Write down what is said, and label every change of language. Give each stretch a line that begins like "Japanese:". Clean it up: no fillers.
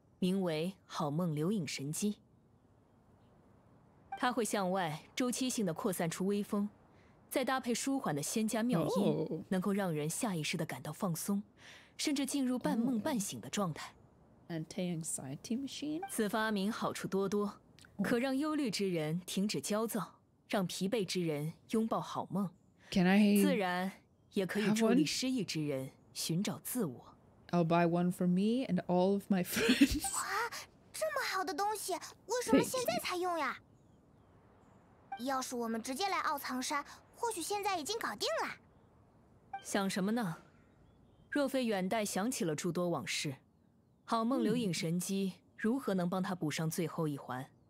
Chinese: 名为好梦留影神机，它会向外周期性的扩散出微风，再搭配舒缓的仙家妙音，能够让人下意识的感到放松，甚至进入半梦半醒的状态。
English: Anti-anxiety machine，
Chinese: 此发明好处多多，可让忧虑之人停止焦躁，让疲惫之人拥抱好梦，自然也可以助力失意之人寻找自我。
English: I'll buy one for me and all of my friends.
Chinese: 哇，这么好的东西，为什么现在才用呀？要是我们直接来奥藏山，或许现在已经搞定了。想什么呢？若非远代想起了诸多往事，好梦留影神机如何能帮他补上最后一环？